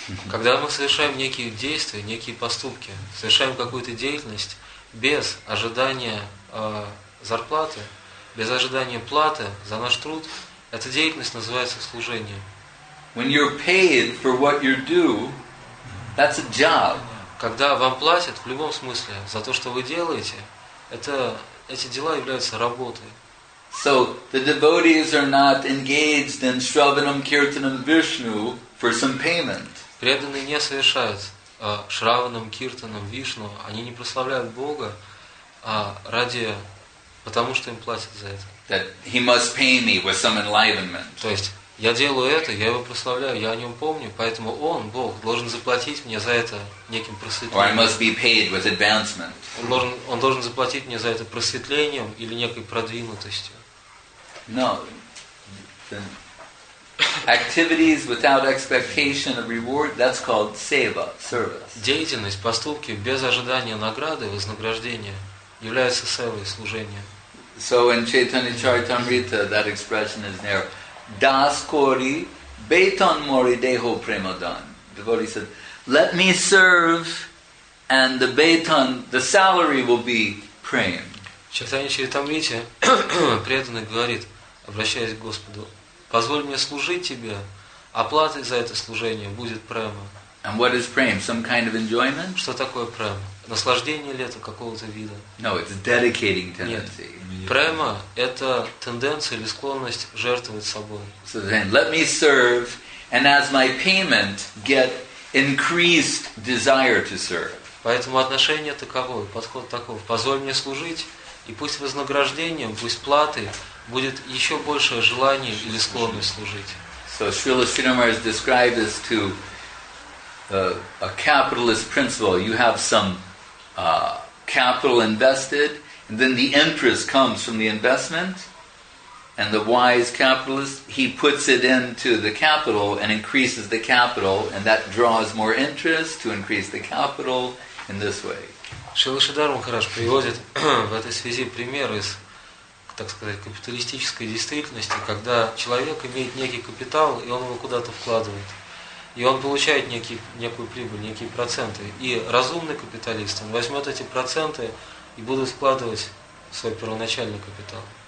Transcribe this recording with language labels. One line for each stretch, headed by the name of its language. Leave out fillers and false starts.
Russian: Когда мы совершаем некие действия, некие поступки, совершаем какую-то деятельность без ожидания зарплаты, без ожидания платы за наш труд, эта деятельность называется служением.
English: When you're paid for what you do, that's a job.
Russian: Когда вам платят в любом смысле за то, что вы делаете, это эти дела являются работой.
English: So the devotees are not engaged in Shravanam, Kirtanam, Vishnu for some payment.
Russian: Преданные не совершают Шраванам, Киртанам, Вишну, они не прославляют Бога, а ради, потому что им платят за это.
English: That he must pay me with some enlightenment.
Russian: То есть я делаю это, я его прославляю, я о нем помню, поэтому он, Бог, должен заплатить мне за это неким просветлением.
English: Or I must be paid with advancement.
Russian: Он должен заплатить мне за это просветлением или некой продвинутостью.
English: No. Activities without expectation of reward, that's called seva, service.
Russian: Деятельность, поступки без ожидания награды, вознаграждения, является севой, служением.
English: So in Chaitanya Charitamrita, that expression is there.
Bangla: Das kori betan mori deho premadan.
English: The devotee said, let me serve and the betan, the salary will be prem.
Russian: Chaitanya Charitamrita, преданный говорит, обращаясь к Господу, позволь мне служить тебе, оплатой за это служение будет према.
English: And what is prema? Some kind of enjoyment?
Russian: Что такое према? Наслаждение ли это какого-то вида?
English: No, it's a dedicating tendency.
Russian: Према – это тенденция или склонность жертвовать собой.
English: So then, let me serve, and as my payment, get increased desire to serve.
Russian: Поэтому отношение таково, подход таков. Позволь мне служить, и пусть вознаграждением, пусть платой будет еще большее желание или склонность служить.
English: So Srila Sridhar is described as to a capitalist principle. You have some capital invested, and then the interest comes from the investment, and the wise capitalist, he puts it into the capital and increases the capital, and that draws more interest to increase the capital in this way.
Russian: Srila Sridhar Maharaj приводит в этой связи пример из, так сказать, капиталистической действительности, когда человек имеет некий капитал, и он его куда-то вкладывает. И он получает некую прибыль, некие проценты. И разумный капиталист, он возьмет эти проценты и будет вкладывать в свой первоначальный капитал.